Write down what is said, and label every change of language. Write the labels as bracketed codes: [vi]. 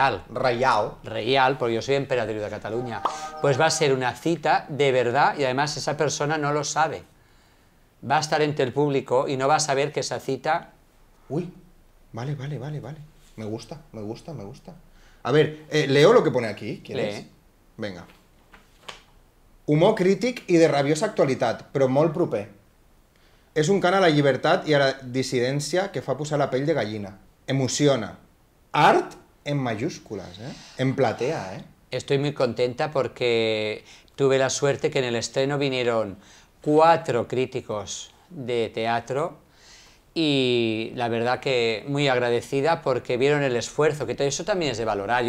[es] real, porque yo soy emperatriz de Cataluña. Pues va a ser una cita de verdad y además esa persona no lo sabe. Va a estar entre el público y no va a saber que esa cita... Uy, vale. Me gusta. A ver, leo lo que pone aquí, ¿quieres? Lee. Venga. [ca] Humor crític i de rabiosa actualitat, però molt proper. És un cant a la llibertat i a la dissidència que fa posar la pell de gallina. [es] Emociona. Art en mayúsculas, ¿eh? En platea, ¿eh? Estoy muy contenta porque tuve la suerte que en el estreno vinieron 4 críticos de teatro y la verdad que muy agradecida porque vieron el esfuerzo, que todo eso también es de valorar.